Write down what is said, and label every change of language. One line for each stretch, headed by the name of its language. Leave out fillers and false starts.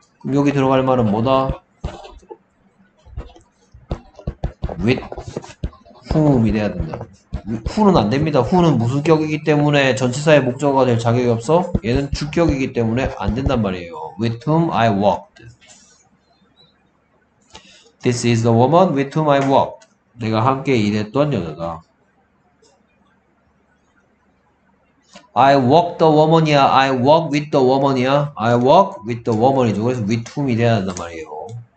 Korean: 그럼 여기 들어갈 말은 뭐다? with whom이 돼야 된다. who는 안 됩니다. who는 무수격이기 때문에 전치사의 목적어가 될 자격이 없어. 얘는 주격이기 때문에 안 된단 말이에요.
English: With whom I walked. This is the woman with whom I walked.
Korean: 내가 함께 일했던 여자다.
English: I walk the woman이야. I walk with the woman이야. I walk with the woman이죠. 그래서 with whom이
Korean: 돼야 된단 말이에요.